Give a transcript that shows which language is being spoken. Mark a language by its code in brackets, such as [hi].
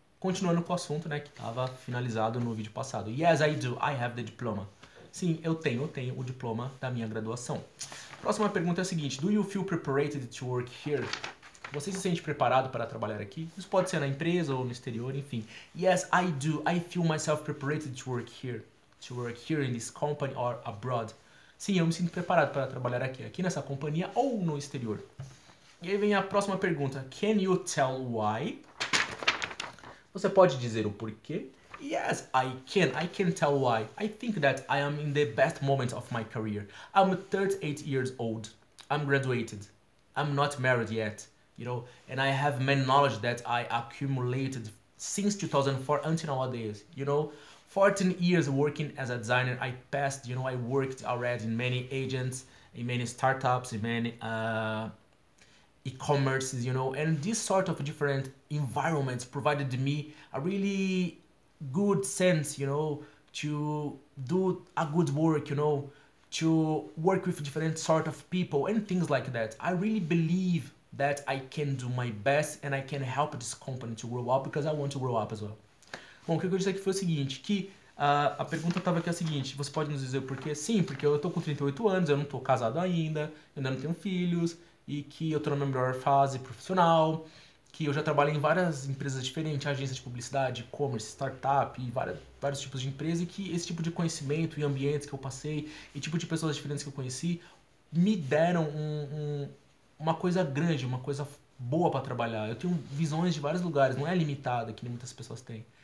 [pt] Continuando com o assunto, né, que estava finalizado no vídeo passado. [en] Yes, I do. I have the diploma. [pt] Sim, eu tenho o diploma da minha graduação. Próxima pergunta é a seguinte. [en] Do you feel prepared to work here? [pt] Você se sente preparado para trabalhar aqui? Isso pode ser na empresa ou no exterior, enfim. [en] Yes, I do. I feel myself prepared to work here. To work here in this company or abroad. [pt] Sim, eu me sinto preparado para trabalhar aqui nessa companhia ou no exterior. E aí vem a próxima pergunta. [en] Can you tell why? [pt] Você pode dizer o porquê? [en] Yes, I can. I can tell why. I think that I am in the best moment of my career. I'm 38 years old. I'm graduated. I'm not married yet, you know? And I have many knowledge that I accumulated since 2004 until nowadays, you know? 14 years working as a designer, I passed, you know, I worked already in many agents, in many startups, in many e-commerces, you know, and this sort of different environments provided me a really good sense, you know, to do a good work, you know, to work with different sort of people and things like that. I really believe that I can do my best and I can help this company to grow up because I want to grow up as well. [pt] Bom, o que eu disse aqui foi o seguinte, que a pergunta estava aqui é a seguinte, você pode nos dizer o porquê? Sim, porque eu estou com 38 anos, eu não estou casado ainda, eu ainda não tenho filhos, e que eu estou na minha melhor fase profissional, que eu já trabalhei em várias empresas diferentes, agências de publicidade, e-commerce, startup, e vários tipos de empresas, e que esse tipo de conhecimento e ambientes que eu passei, e tipo de pessoas diferentes que eu conheci, me deram uma coisa grande, uma coisa boa para trabalhar. Eu tenho visões de vários lugares, não é limitada, que nem muitas pessoas têm.